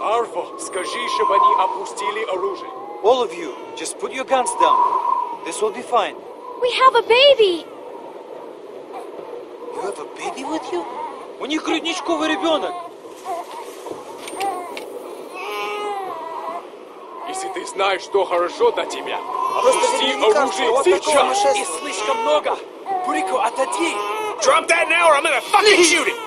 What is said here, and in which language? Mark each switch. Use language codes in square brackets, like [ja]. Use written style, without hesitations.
[ru] Arvo, скажи, чтобы они опустили оружие. [en] All of you, just put your guns down. This will be fine. We have a baby! You have a baby with you? [ru] У них грудничковый ребенок! если ты знаешь, что хорошо для тебя, опусти оружие сейчас! И слишком много! Бурико, отойди! [en] Drop that now or I'm gonna fucking shoot it!